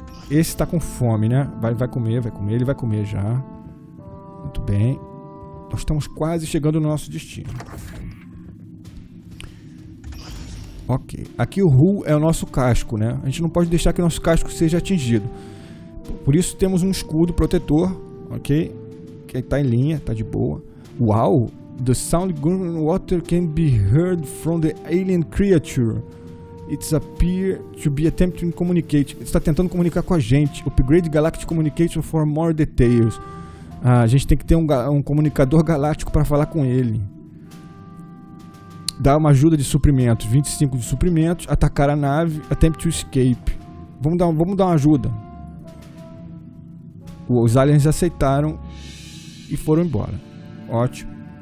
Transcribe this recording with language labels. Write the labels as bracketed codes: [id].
[pt] Esse tá com fome, né? Ele vai comer já. Muito bem. Nós estamos quase chegando no nosso destino. Ok. Aqui o Ru é o nosso casco, né? A gente não pode deixar que o nosso casco seja atingido. Por isso temos um escudo protetor. Ok? Que tá em linha, tá de boa. Uau! [en] The sound gurgling water can be heard from the alien creature. It appears to be attempting to communicate. [pt] Está tentando comunicar com a gente. [en] Upgrade Galactic Communication for more details. [pt] A gente tem que ter um comunicador galáctico para falar com ele. Dá uma ajuda de suprimentos. 25 de suprimentos. Atacar a nave. [en] Attempt to escape. [pt] Vamos dar uma ajuda. Os aliens aceitaram e foram embora. Ótimo.